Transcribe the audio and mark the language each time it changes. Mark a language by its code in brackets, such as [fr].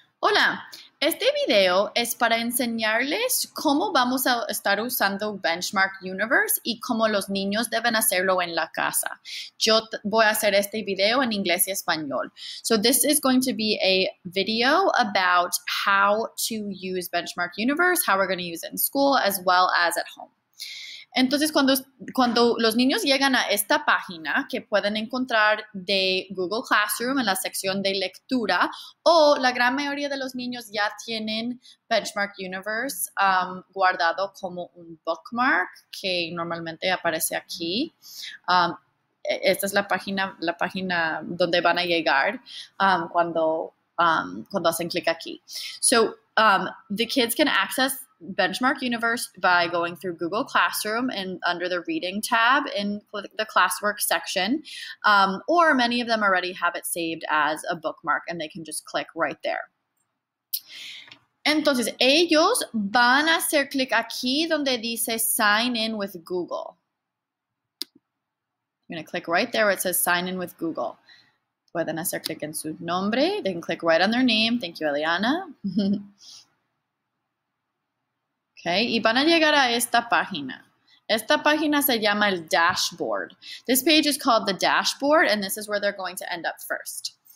[es] Hola, este video es para enseñarles cómo vamos a estar usando Benchmark Universe y cómo los niños deben hacerlo en la casa. Yo voy a hacer este video en inglés y español. [en] So this is going to be a video about how to use Benchmark Universe, how we're going to use it in school, as well as at home. [es] Entonces, cuando los niños llegan a esta página que pueden encontrar de Google Classroom en la sección de lectura, o la gran mayoría de los niños ya tienen Benchmark Universe guardado como un bookmark que normalmente aparece aquí. Esta es la página donde van a llegar cuando hacen clic aquí. [en] So, the kids can access Benchmark Universe by going through Google Classroom and under the Reading tab in the classwork section, or many of them already have it saved as a bookmark and they can just click right there. [es] Entonces, ellos van a hacer clic aquí donde dice Sign in with Google. [en] I'm going to click right there where it says Sign in with Google. [es] Pueden hacer clic en su nombre. [en] They can click right on their name. Thank you, Eliana. [es] Okay, y van a llegar a esta página. Esta página se llama el dashboard. [en] This page is called the dashboard, and this is where they're going to end up first.